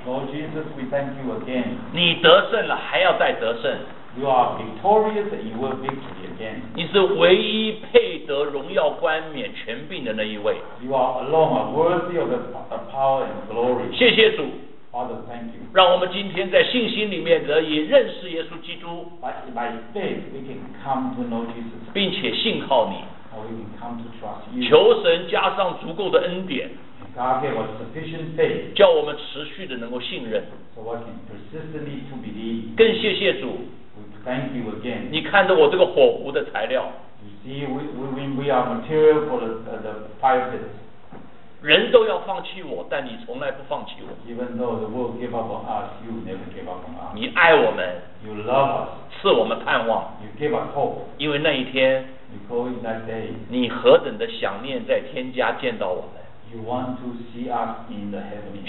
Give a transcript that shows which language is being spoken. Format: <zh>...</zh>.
<en>Lord Jesus, we thank you again.</en> <zh>你得胜了，还要再得胜。</zh> <en>You are victorious, and you will victory again.</en> <zh>你是唯一配得荣耀冠冕权柄的那一位。</zh> <en>You are alone, worthy of the power and glory.</en> <zh>谢谢主。</zh> <en>Father, thank you.</en> <zh>让我们今天在信心里面得以认识耶稣基督。</zh> <en>By faith, we can come to know Jesus.</en> <zh>并且信靠你。</zh> <en>And we can come to trust you.</en> <zh>求神加上足够的恩典。</zh> <en>God gave us sufficient faith.</en> <zh>叫我们持续的能够信任。</zh> <en>So we can persistently to believe.</en> <zh>更谢谢主。</zh> <en>Thank you again.</en> <zh>你看着我这个火湖的材料。</zh> <en>You see, we are material for the fire pit.</en> <zh>人都要放弃我，但你从来不放弃我。</zh> <en>Even though the world gave up on us, you never gave up on us.</en> <zh>你爱我们。</zh> <en>You love us.</en> <zh>赐我们盼望。</zh> <en>You give us hope.</en> <zh>因为那一天。</zh> <en>Because in that day.</en> <zh>你何等的想念在天家见到我们。</zh> <en>You want to see us in the heavenly.</en>